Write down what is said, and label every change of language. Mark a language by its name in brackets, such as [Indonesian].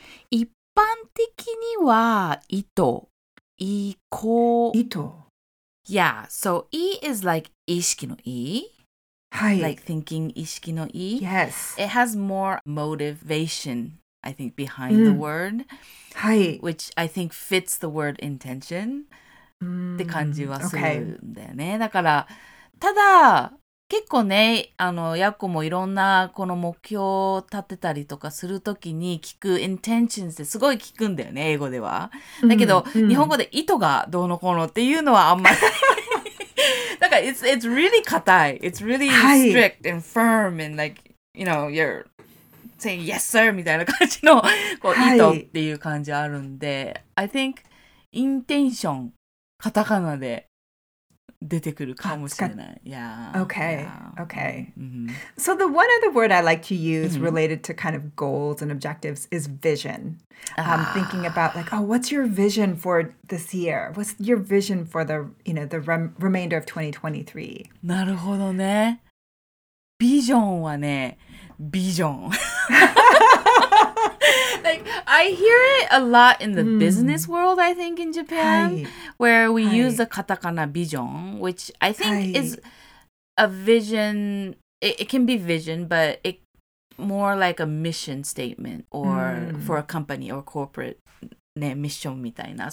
[Japanese] 一般的には意図、意向。意図。 [English] Yeah, so E is like [Japanese] 意識の E. はい。 [English] Like thinking [Japanese] 意識の E. [English] Yes. It has more motivation, I think, behind the word. [Japanese] はい。 [English] Which I think fits the word intention. [Japanese] って感じはするんだよね。 [English] Okay. [Japanese] だから、ただ、結構ね、ヤッコもいろんなこの目標を立てたりとかするときに聞く intentions ってすごい聞くんだよね、英語では。だけど、日本語で意図がどうのこうのっていうのはあんまり。だから、 [English] it's really [Japanese] 硬い。 [English] It's really strict and firm and like, you know, you're saying yes sir [Japanese] みたいな感じのこう意図っていう感じあるんで、 [English] I think intention、 [Japanese] カタカナで。出てくるかもしれない。 [English] Yeah. Okay. Yeah. Okay. So the one other word I like to use related to kind of goals and objectives is vision. Thinking about like, oh, what's your vision for this year? What's your vision for the, you know, the remainder of 2023? [Japanese] なるほどね。ビジョンはね、ビジョン。 [English] I hear it a lot in the business world, I think, in Japan, where we use the katakana bijon, which I think is a vision, it can be vision, but it more like a mission statement or for a company or corporate, [Japanese] ね、ミッションみたいな。